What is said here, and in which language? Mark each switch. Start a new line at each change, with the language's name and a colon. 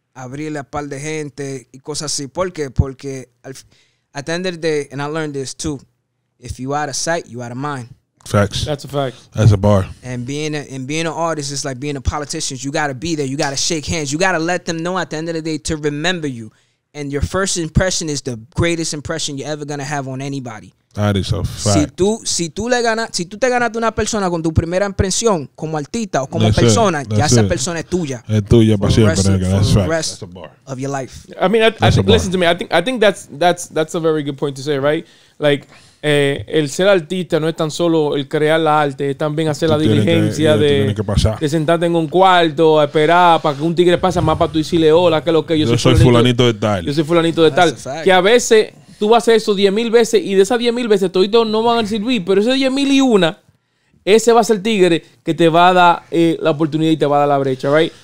Spanish: Abrir la par de gente y cosas así. ¿Por qué?
English: Porque at the end of the day, and I learned this too, if you out of sight, you out of mind. Facts. That's a fact. That's a bar. And being an artist is like being a politician. You got to be there. You got to shake hands. You got to let them know at the end of the day to remember you. And your first impression is the greatest impression you're ever going to have on anybody. That is a fact.
Spanish: Si tú te ganaste una persona con tu primera impresión como artista o como that's persona, ya esa persona es tuya. Es tuya para siempre.
English: For the rest of your life. I mean, listen to me. I think that's a very good point to say, right?
Spanish: Like, el ser artista no es tan solo el crear la arte, es también hacer tú la diligencia de sentarte en un cuarto, a esperar para que un tigre pase más para tú decirle hola, que lo que yo soy fulanito de tal. Yo soy fulanito de tal. Que a veces tú vas a hacer eso 10,000 veces y de esas 10,000 veces todos no van a servir, pero ese 10,000 y una, ese va a ser el tigre que te va a dar la oportunidad y te va a dar la brecha, right?